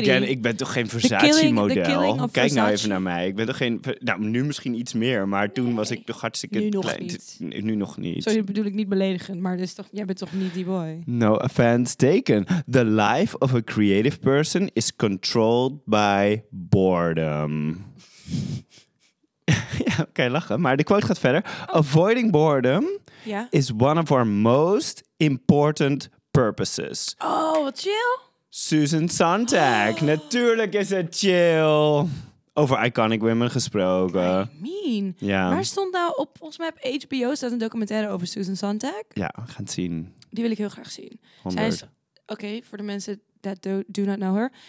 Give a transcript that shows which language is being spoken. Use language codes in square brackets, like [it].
[nl] Again, ik ben toch geen Versace-model? Kijk nou even naar mij. Ik ben toch geen... Nou, nu misschien iets meer, maar toen was ik toch hartstikke... Nu nog niet. Sorry, bedoel ik niet beledigend, maar dus toch, jij bent toch niet die boy? [en] No offense taken. The life of a creative person is controlled by boredom. [nl] Ja, kan je lachen. Maar de quote gaat verder. Oh. [en] Avoiding boredom is one of our most important purposes. [nl] Oh, wat chill. Susan Sontag. Oh. Natuurlijk is het chill. Over [en] iconic women [nl] gesproken. [en] I mean. [nl] Ja. Waar stond nou op, volgens mij op HBO staat een documentaire over Susan Sontag. Ja, we gaan het zien. Die wil ik heel graag zien. Zij is, okay, voor de mensen [en] that do not know her.